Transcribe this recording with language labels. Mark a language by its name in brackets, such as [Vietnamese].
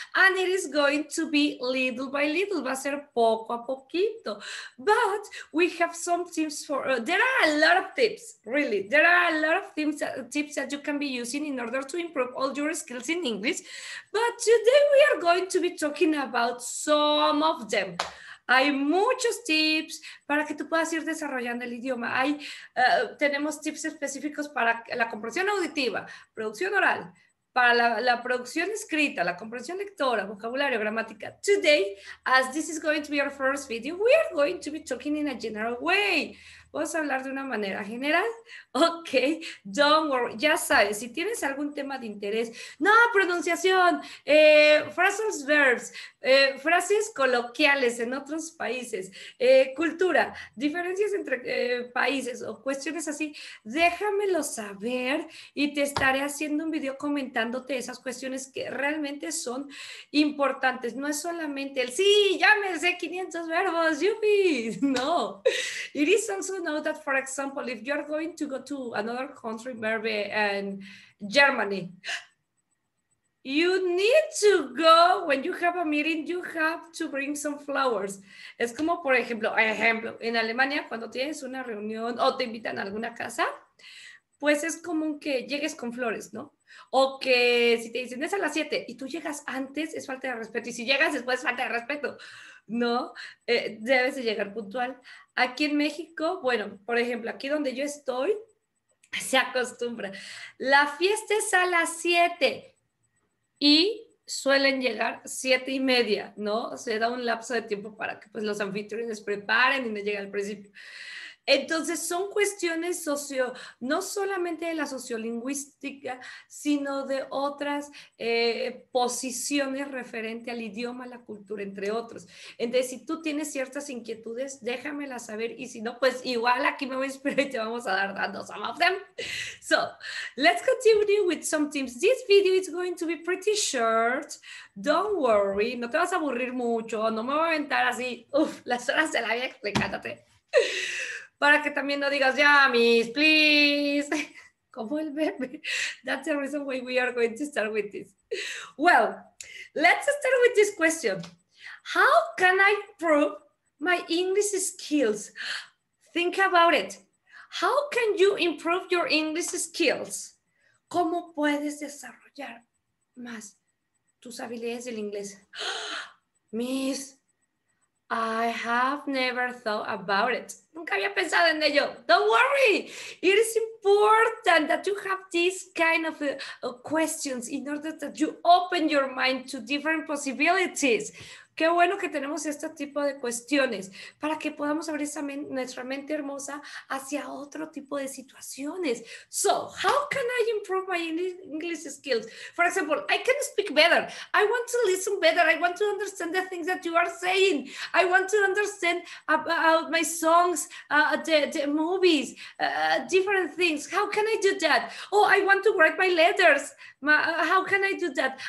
[English] And it is going to be little by little, [Spanish] va a ser poco a poquito, [English] but we have some tips for, there are a lot of tips, really, there are a lot of tips that you can be using in order to improve all your skills in English, but today we are going to be talking about some of them. [Spanish] Hay muchos tips para que tú puedas ir desarrollando el idioma. Tenemos tips específicos para la comprensión auditiva, producción oral, para la producción escrita, la comprensión lectora, vocabulario, gramática. [English] Today, as this is going to be our first video, we are going to be talking in a general way. [Spanish] ¿Vamos a hablar de una manera general? [English] Ok, don't worry. [Spanish] Ya sabes, si tienes algún tema de interés, no, pronunciación, phrasal verbs, frases coloquiales en otros países, cultura, diferencias entre países o cuestiones así, déjamelo saber y te estaré haciendo un video comentándote esas cuestiones que realmente son importantes. No es solamente el sí, ya me sé 500 verbos, yupi. [English] No, it is also know that, for example, if you're going to go to another country, maybe in Germany, you need to go, when you have a meeting, you have to bring some flowers. [Spanish] Es como, por ejemplo, en Alemania, cuando tienes una reunión o te invitan a alguna casa, pues es común que llegues con flores, ¿no? O que si te dicen es a las 7 y tú llegas antes, es falta de respeto. Y si llegas después, es falta de respeto, ¿no? Debes de llegar puntual. Aquí en México, bueno, por ejemplo, aquí donde yo estoy, se acostumbra. La fiesta es a las 7 y suelen llegar 7:30, ¿no? Se da un lapso de tiempo para que pues, los anfitriones preparen y no llegue al principio. Entonces, son cuestiones no solamente de la sociolingüística, sino de otras posiciones referente al idioma, la cultura, entre otros. Entonces, si tú tienes ciertas inquietudes, déjamela saber y si no, pues igual aquí me voy a esperar y te vamos a dar dando [English] some of them. So, let's continue with some tips. This video is going to be pretty short. Don't worry, [Spanish] no te vas a aburrir mucho, no me voy a aventar así, uf, las horas de la vida explicándote. Para que también no digas, ya, miss, please. Como el bebé. [English] That's the reason why we are going to start with this. Well, let's start with this question. How can I prove my English skills? Think about it. How can you improve your English skills? [Spanish] ¿Cómo puedes desarrollar más tus habilidades del inglés? [English] Miss, I have never thought about it. [Spanish] Nunca había pensado en ello. [English] Don't worry. It is important that you have these kind of questions in order that you open your mind to different possibilities. [Spanish] Qué bueno que tenemos este tipo de cuestiones para que podamos abrir esa men nuestra mente hermosa hacia otro tipo de situaciones. [English] So, how can I improve my English skills? For example, I can speak better. I want to listen better. I want to understand the things that you are saying. I want to understand about my songs, the movies, different things. How can I do that? Oh, I want to write my letters. How can I do that?